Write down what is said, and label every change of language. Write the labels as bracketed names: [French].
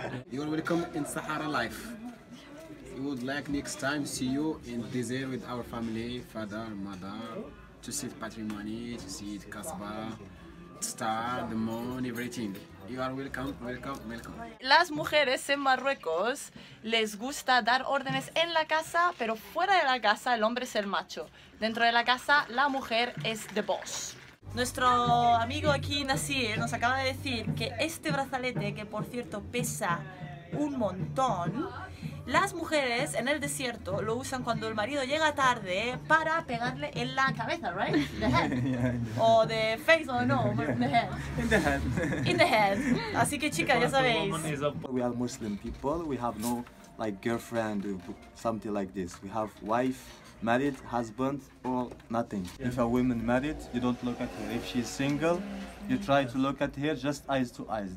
[English] You are welcome in Sahara life. We would like next time see you in desert with our family, father, mother, to see the patrimony, to see the kasbah, star, the moon, everything. You are welcome, welcome, welcome. [Spanish] Las mujeres en Marruecos les gusta dar órdenes en la casa, pero fuera de la casa el hombre es el macho. Dentro de la casa la mujer es [English] the boss. [Spanish] Nuestro amigo aquí, Nasir, nos acaba de decir que este brazalete, que por cierto pesa un montón, las mujeres en el desierto lo usan cuando el marido llega tarde para pegarle en la cabeza, [English] right? The head. Yeah, in the head. O the face, or no, in the head. In the head. In the head. [Spanish] Así que chicas, ya sabéis. [English] We are Muslim people, we have no like girlfriend or something like this. We have wife, married, husband, or nothing. Yeah. If a woman married, you don't look at her. If she's single, you try to look at her just eyes to eyes.